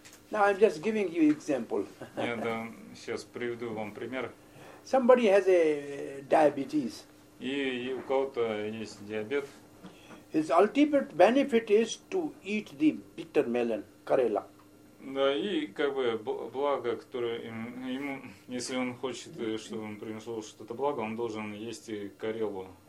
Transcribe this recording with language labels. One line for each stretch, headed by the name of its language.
English: Now I'm just giving you example.
Russian: Я дам, сейчас приведу вам пример.
English: Somebody has a diabetes.
Russian: И у кого-то есть диабет.
English: His ultimate benefit is to eat the bitter melon, Karela.
Russian: Да, и как бы благо, которое ему, если он хочет, чтобы он принесло что-то благо, он должен есть и Karelu.